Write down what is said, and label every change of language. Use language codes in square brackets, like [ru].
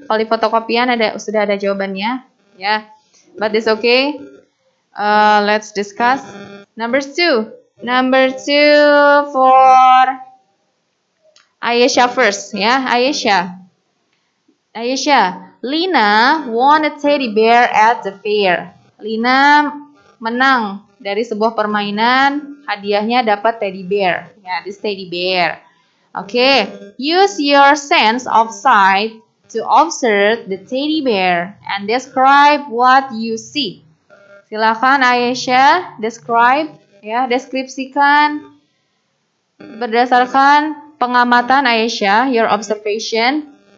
[id] Kalau di fotokopian ada, sudah ada jawabannya, yeah, [en] but it's okay, let's discuss. Number 2 for Ayesha first, yeah, Ayesha. Ayesha, Lina won a teddy bear at the fair. [id] Lina menang dari sebuah permainan, hadiahnya dapat teddy bear. [en] Ya, yeah, this teddy bear. Okay, use your sense of sight to observe the teddy bear and describe what you see. [id] Silakan Ayesha, describe, ya, yeah, deskripsikan berdasarkan pengamatan Ayesha, [en] your observation.